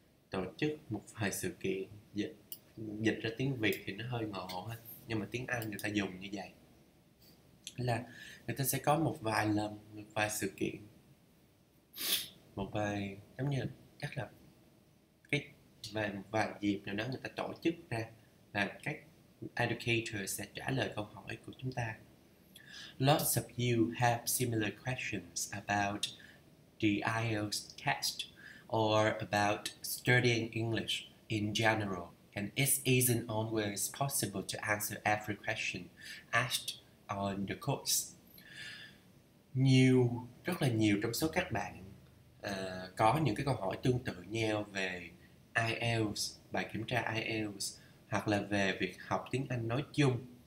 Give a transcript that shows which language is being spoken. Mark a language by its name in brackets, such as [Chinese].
[Vietnamese] Tổ chức một vài sự kiện, dịch ra tiếng Việt thì nó hơi ngộ ha, nhưng mà tiếng Anh người ta dùng như vậy là người ta sẽ có một vài lần, một vài sự kiện, một vài giống như chắc là cái vài một vài dịp nào đó người ta tổ chức ra là các educators sẽ trả lời câu hỏi của chúng ta. [English] Lots of you have similar questions about the IELTS test or about studying English in general, and it isn't always possible to answer every question asked on the course. [Vietnamese] Rất là nhiều trong số các bạn có những cái câu hỏi tương tự nhau về IELTS, bài kiểm tra IELTS, hoặc là về việc học tiếng Anh nói chung.